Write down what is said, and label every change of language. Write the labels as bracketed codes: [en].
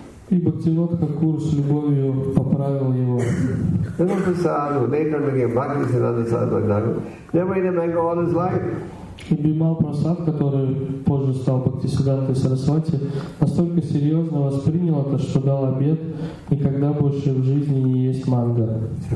[ru] И Бхактивинода Тхакур с любовью поправил его. [en] Бимал Прасад, who later became Бхактивинода Сарасвати, never ate a mango all his life. [ru] И Бимал Прасад, который позже стал Бхактисиддхантой Сарасвати, настолько серьезно воспринял это, что дал обет никогда больше в жизни не есть манго.